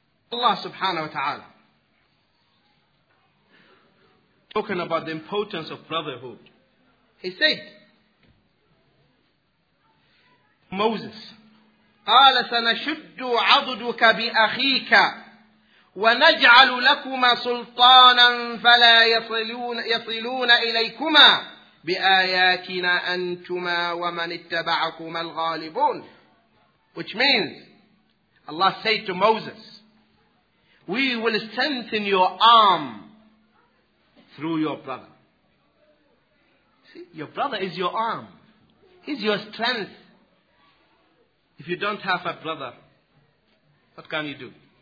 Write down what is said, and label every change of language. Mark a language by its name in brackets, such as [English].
[English] Allah subhanahu wa ta'ala, talking about the importance of brotherhood, he said, Moses, [Arabic] قَالَ سَنَشُدُّ عَضُدُكَ بِأَخِيكَ وَنَجْعَلُ لَكُمَا سُلْطَانًا فَلَا يَصِلُونَ إِلَيْكُمَا بآياتنا أنتما ومن اتبعكما الغالبون. [English] Which means, Allah said to Moses, we will strengthen your arm through your brother. See, your brother is your arm. He's your strength. If you don't have a brother, what can you do?